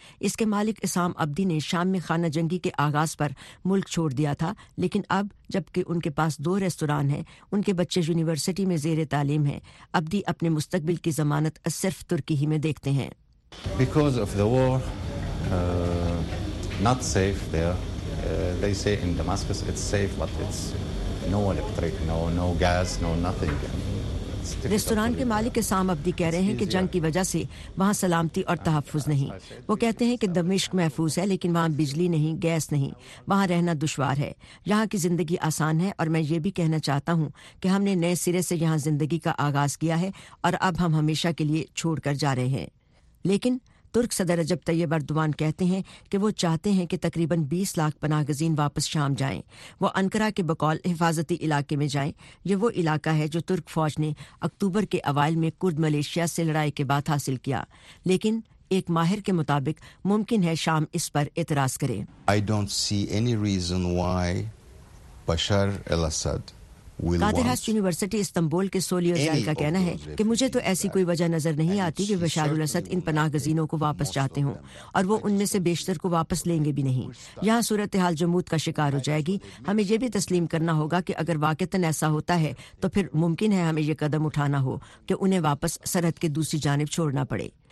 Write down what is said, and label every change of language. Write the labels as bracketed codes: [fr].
[ur] اس کے مالک اسام عبدی نے شام میں خانہ جنگی کے آغاز پر ملک چھوڑ دیا تھا, لیکن اب جبکہ ان کے پاس 2 ریستوران ہیں, ان کے بچے یونیورسٹی میں زیر تعلیم ہیں, عبدی اپنے مستقبل کی ضمانت صرف ترکی ہی میں دیکھتے ہیں. [en] Because of the war, not safe there. They say in Damascus it's safe, but it's no electric, no gas, no nothing. [ur] Restaurant کے مالک اسام عبدی کہہ رہے ہیں کہ جنگ کی وجہ سے وہاں سلامتی اور تحفظ نہیں. وہ کہتے ہیں کہ دمشق محفوظ ہے, لیکن وہاں بجلی نہیں, گیس نہیں, وہاں رہنا دشوار ہے. یہاں کی زندگی آسان ہے, اور میں یہ بھی کہنا چاہتا ہوں کہ ہم نے نئے سرے سے یہاں زندگی کا آغاز کیا ہے اور اب ہم ہمیشہ کے لیے چھوڑ کر جا رہے ہیں. لیکن ترک صدر رجب طیب اردوان کہتے ہیں کہ وہ چاہتے ہیں کہ تقریباً 20 لاکھ پناہ گزین واپس شام جائیں. وہ انکرا کے بقول حفاظتی علاقے میں جائیں. یہ وہ علاقہ ہے جو ترک فوج نے اکتوبر کے اوائل میں کرد ملیشیا سے لڑائی کے بعد حاصل کیا, لیکن ایک ماہر کے مطابق ممکن ہے شام اس پر اعتراض کرے. [en] I don't see any reason why Bashar al-Assad. [ur] قادرہس university Istanbul کے سولیو جیل کا کہنا ہے کہ مجھے تو ایسی کوئی وجہ نظر نہیں آتی کہ بشار الاسد ان پناہ گزینوں کو واپس چاہتے ہوں, اور وہ ان میں سے بیشتر کو واپس لیں گے بھی نہیں. یہاں صورتحال جمود کا شکار ہو جائے گی. ہمیں یہ بھی تسلیم کرنا ہوگا کہ اگر واقعتاً ایسا ہوتا ہے تو پھر ممکن ہے ہمیں یہ قدم اٹھانا ہو کہ انہیں واپس سرحد کے دوسری جانب چھوڑنا پڑے.